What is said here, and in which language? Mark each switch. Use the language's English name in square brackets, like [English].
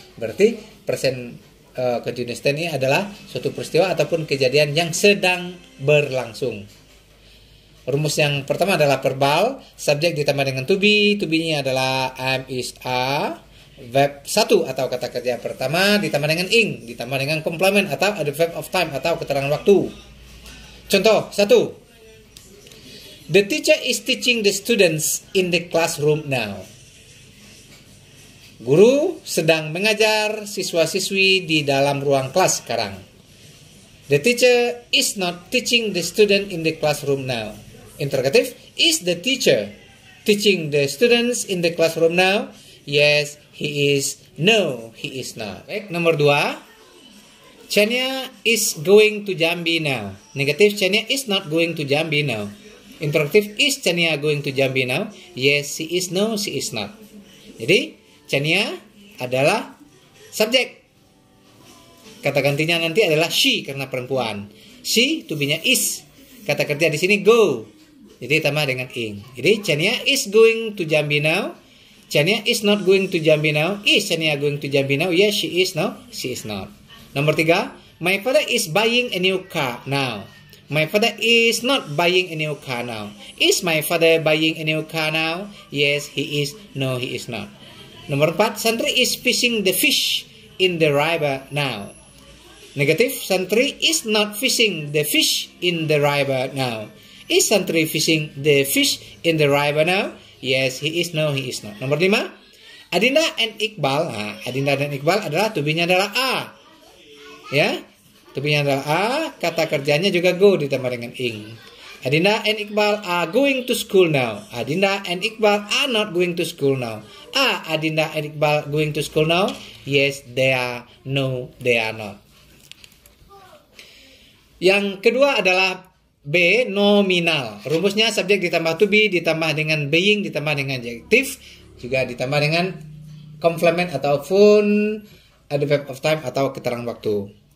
[Indonesian] Berarti present continuous tense ini adalah suatu peristiwa ataupun kejadian yang sedang berlangsung. Rumus yang pertama adalah verbal, subjek ditambah dengan to be, to be-nya adalah am, is, are. Verb 1 atau kata kerja pertama ditambah dengan ing, ditambah dengan complement atau adverb of time atau keterangan waktu. Contoh 1. [English] The teacher is teaching the students in the classroom now. [Indonesian] Guru sedang mengajar siswa-siswi di dalam ruang kelas sekarang. [English] The teacher is not teaching the student in the classroom now. Interrogative, is the teacher teaching the students in the classroom now? Yes, he is. No, he is not. [Indonesian] Baik, nomor 2. [English] Chania is going to Jambi now. Negative, Chania is not going to Jambi now. Interrogative, is Chania going to Jambi now? Yes, she is. No, she is not. [Indonesian] Jadi, Chania adalah subjek. Kata gantinya nanti adalah she karena perempuan. She to be-nya is. Kata kerja di sini go. Jadi tambah dengan ing. [English] Jadi, Chania is going to Jambi now. Chania is not going to Jambi now. Is Chania going to Jambi now? Yes, she is now. She is not. [Indonesian] Nomor 3. [English] My father is buying a new car now. My father is not buying a new car now. Is my father buying a new car now? Yes, he is. No, he is not. [Indonesian] Nomor 4. [English] Santri is fishing the fish in the river now. Negative. Santri is not fishing the fish in the river now. Is Santri fishing the fish in the river now? Yes, he is. No, he is not. [Indonesian] Nomor 5. [English] Adinda and Iqbal. [Indonesian] Nah, Adinda dan Iqbal adalah to be-nya adalah A. Ya. To be-nya adalah A. Kata kerjanya juga go ditambah dengan ing. [English] Adinda and Iqbal are going to school now. Adinda and Iqbal are not going to school now. Are Adinda and Iqbal going to school now? Yes, they are. No, they are not. [Indonesian] Yang kedua adalah B, nominal. Rumusnya subjek ditambah to be, ditambah dengan being, ditambah dengan adjective, juga ditambah dengan complement ataupun adverb of time atau keterangan waktu.